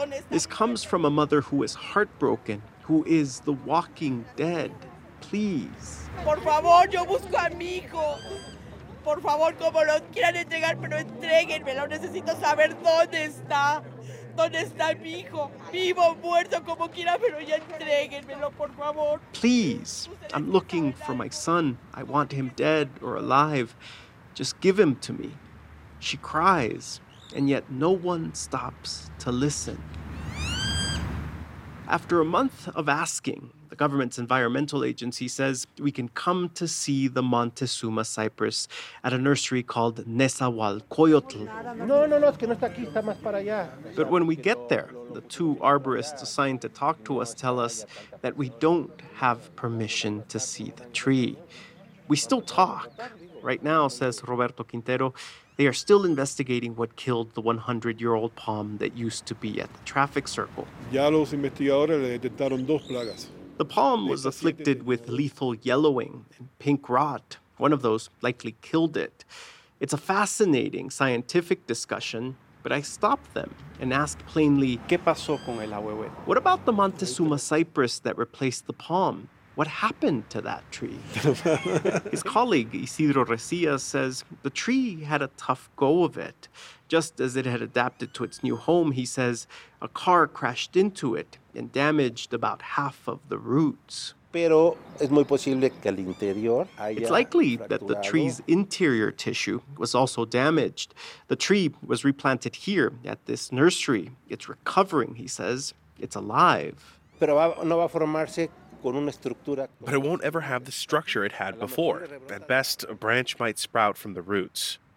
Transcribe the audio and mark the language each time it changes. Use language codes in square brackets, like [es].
[en] This comes from a mother who is heartbroken, who is the walking dead. Please. [es] Por favor, yo busco a mi hijo. Por favor, como lo quieran entregar, pero entréguenmelo. Necesito saber dónde está. ¿Dónde está mi hijo? Vivo, muerto, como quiera, pero ya entréguenmelo, por favor. [en] Please. I'm looking for my son. I want him dead or alive. Just give him to me. She cries, and yet no one stops to listen. After a month of asking, the government's environmental agency says we can come to see the Montezuma cypress at a nursery called Nezahualcóyotl. [es] No, no, no, es que no está aquí, está más para allá. [en] But when we get there, the two arborists assigned to talk to us tell us that we don't have permission to see the tree. We still talk. Right now, says Roberto Quintero, they are still investigating what killed the 100-year-old palm that used to be at the traffic circle. [es] Ya los investigadores le detectaron dos plagas. [en] The palm was afflicted with lethal yellowing and pink rot. One of those likely killed it. It's a fascinating scientific discussion, but I stop them and ask plainly, [es] ¿Qué pasó con el ahuehuete? [en] What about the Montezuma cypress that replaced the palm? What happened to that tree? His colleague, Isidro Recia, says the tree had a tough go of it. Just as it had adapted to its new home, he says, a car crashed into it and damaged about half of the roots. [es] Pero es muy posible que el interior haya [en] It's likely [es] fracturado. [en] That the tree's interior tissue was also damaged. The tree was replanted here at this nursery. It's recovering, he says. It's alive. [es] Pero no va a formarse. [en] But it won't ever have the structure it had before. At best, a branch might sprout from the roots.